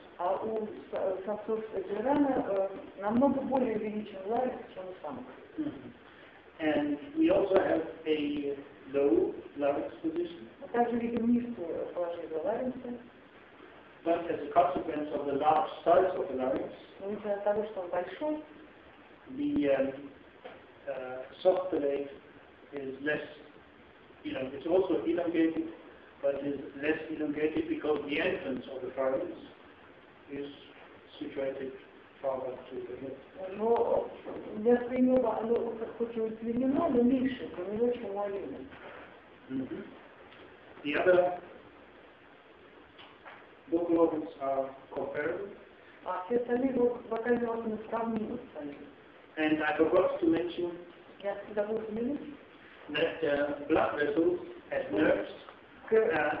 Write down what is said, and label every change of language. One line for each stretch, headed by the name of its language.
Russian: А у самцов Jirana намного более увеличен ларинг, чем у самок.
English: And we also have a low larynx position.
Russian: Мы также видим низкое положение ларинга.
English: But as a consequence of the large size of the larynx,
Russian: но из-за того, что он большой,
English: the soft palate is less, you know, it's also elongated, but is less elongated because the entrance of the pharynx is situated farther to the head.
Russian: Но для своего оно хоть и удлинено, но меньше, кроме того, чем у оленя.
English: The other vocal organs are comparable.
Russian: А все остальные вокальные органы сравнимы с оленем.
English: And I forgot to mention that blood vessels and nerves.